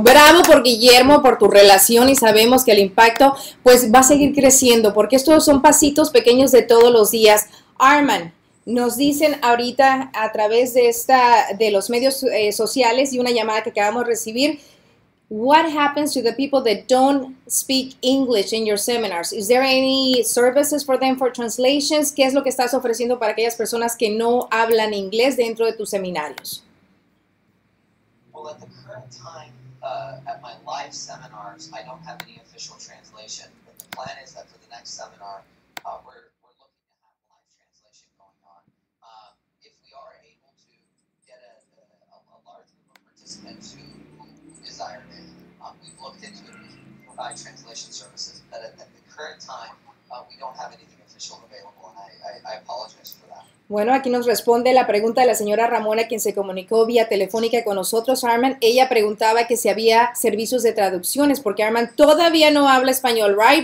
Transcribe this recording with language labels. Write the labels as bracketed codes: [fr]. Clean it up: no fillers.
[es] Bravo por Guillermo, por tu relación, y sabemos que el impacto pues va a seguir creciendo, porque estos son pasitos pequeños de todos los días. Armin, nos dicen ahorita a través de esta, de los medios sociales y una llamada que acabamos de recibir. [en] What happens to the people that don't speak English in your seminars? Is there any services for them for translations? [es] ¿Qué es lo que estás ofreciendo para aquellas personas que no hablan inglés dentro de tus seminarios? [en] Well, at the current time, at my live seminars, I don't have any official translation. But the plan is that for the next seminar, we're looking to have live translation going on. If we are able to get a large group of participants who desire it, we've looked into it and provide translation services. But at the current time, we don't have anything official available, and I apologize for that. [es] Bueno, aquí nos responde la pregunta de la señora Ramona, quien se comunicó vía telefónica con nosotros, Armin. Ella preguntaba que si había servicios de traducciones, porque Armin todavía no habla español, right?